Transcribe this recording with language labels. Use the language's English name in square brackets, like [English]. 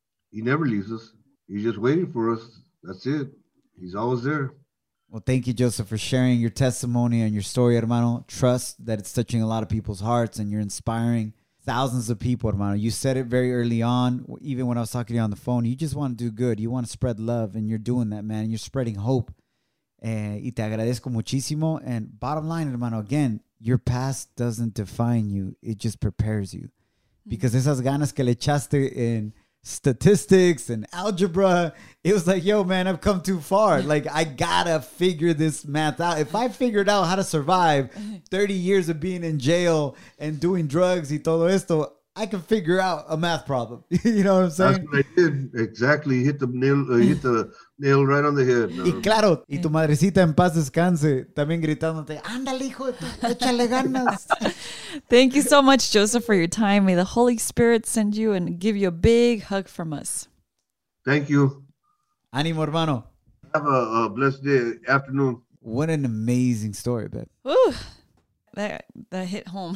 [English] He never leaves us. He's just waiting for us. That's it. He's always there. Well, thank you, Joseph, for sharing your testimony and your story, hermano. Trust that it's touching a lot of people's hearts and you're inspiring thousands of people, hermano. You said it very early on, even when I was talking to you on the phone. You just want to do good. You want to spread love, and you're doing that, man. You're spreading hope. [Spanish] Y te agradezco muchísimo. [English] And bottom line, hermano, again, your past doesn't define you. It just prepares you. Because [Spanish] esas ganas que le echaste [English] in statistics and algebra, it was like, yo, man, I've come too far. Like, I gotta figure this math out. If I figured out how to survive 30 years of being in jail and doing drugs [Spanish] y todo esto, [English] I can figure out a math problem. You know what I'm saying? That's what I did. Exactly. Hit the nail right on the head. [Spanish] Y claro, y tu madrecita en paz descanse, también gritándote, ándale, hijo, échale ganas. [English] Thank you so much, Joseph, for your time. May the Holy Spirit send you and give you a big hug from us. Thank you. [Spanish] Animo, hermano. [English] Have a blessed day, afternoon. What an amazing story, babe. Ooh, that hit home.